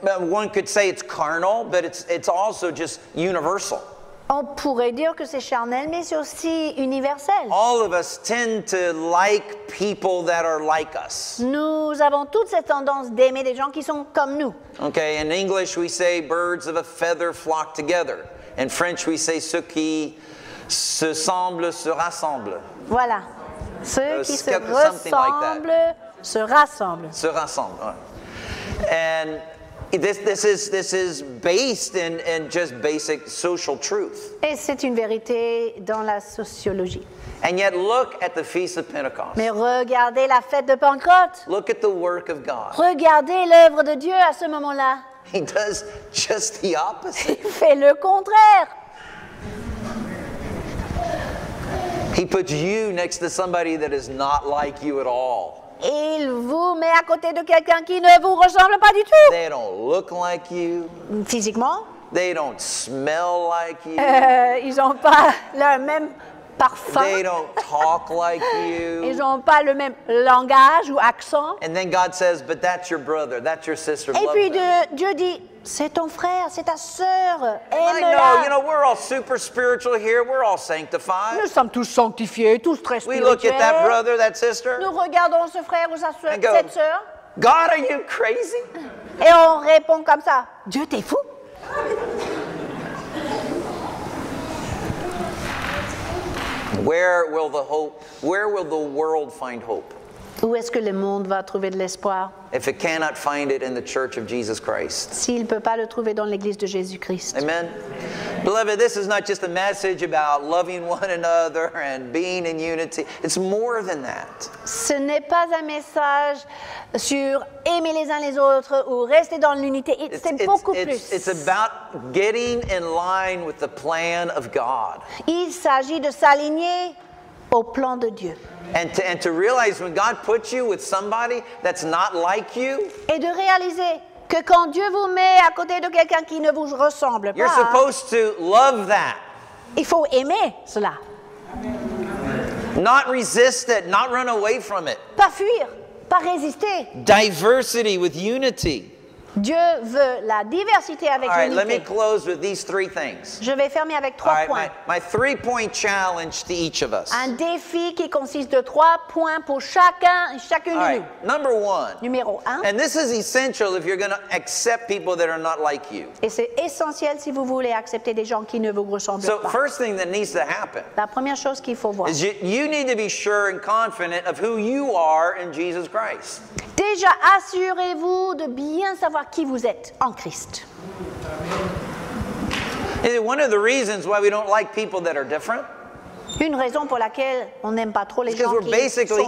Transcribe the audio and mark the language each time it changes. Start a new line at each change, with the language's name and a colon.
English: One could say it's carnal, but it's also just universal.
French: On pourrait dire que c'est charnel, mais c'est aussi universel.
English: All of us tend to like people that are like us.
French: Nous avons toute cette tendance d'aimer des gens qui sont comme nous.
English: Okay, in English we say birds of a feather flock together. In French we say
French: ceux qui se semblent se rassemblent. Voilà, ceux qui se ressemblent
English: like
French: se rassemblent. Se rassemblent, ouais.
English: And This is based in just basic social truth.
French: Et c'est une vérité dans la sociologie.
English: And yet look at the feast of Pentecost.
French: Mais regardez la fête de Pentecôte.
English: Look at the work of God.
French: Regardez l'œuvre de Dieu à ce moment-là.
English: He does just the opposite.
French: Il fait le contraire.
English: He puts you next to somebody that is not like you at all.
French: Il vous met à côté de quelqu'un qui ne vous ressemble pas du tout.
English: They don't look like you.
French: Physiquement.
English: They don't smell like you.
French: Ils n'ont pas le même parfum.
English: They don't talk like you.
French: Ils n'ont pas le même langage ou accent.
English: And then God says, but that's your brother, that's your sister.
French: Et puis Dieu dit, c'est ton frère, c'est ta sœur. Aime-la.
English: Like, no, you know, we're all super spiritual here. We're all sanctified.
French: Nous sommes tous sanctifiés, tous très spirituels.
English: We look at that brother, that sister.
French: Nous regardons ce frère ou sa sœur, cette sœur.
English: God, are you crazy?
French: Et on répond comme ça. Dieu, t'es fou?
English: Where will the world find hope?
French: Où est-ce que le monde va trouver de l'espoir?
English: If it cannot find it in the church of Jesus Christ.
French: S'il peut pas le trouver dans l'église de Jésus-Christ. Amen.
English: Beloved, this is not just a message about loving one another and being in unity. It's more than that.
French: Ce n'est pas un message sur aimer les uns les autres ou rester dans l'unité. C'est beaucoup plus.
English: It's about getting in line with the plan of God.
French: Il s'agit de s'aligner au plan de Dieu.
English: And to realize when God puts you with somebody that's not like you.
French: Et de réaliser Que quand Dieu vous met à côté de quelqu'un qui ne vous ressemble pas,
English: you're supposed to love that.
French: Il faut aimer cela.
English: Not resist it, not run away from it.
French: Pas fuir, pas résister.
English: Diversity with unity.
French: Dieu veut la diversité avec l'unité.
English: All right, let me close with these three things.
French: Je vais fermer avec trois points.
English: My three-point challenge to each of us.
French: Un défi qui consiste de trois points pour chacun et chacune de nous.
English: Number one.
French: Numéro un.
English: And this is essential if you're going to accept people that are not like you.
French: Et c'est essentiel si vous voulez accepter des gens qui ne vous ressemblent pas.
English: So first thing that needs to happen.
French: La première chose qu'il faut voir.
English: Is you need to be sure and confident of who you are in Jesus Christ.
French: Déjà, assurez-vous de bien savoir qui vous êtes en Christ.
English: Is it one of the reasons why we don't like people that are different?
French: Une raison pour laquelle on n'aime pas trop les gens qui sont différents.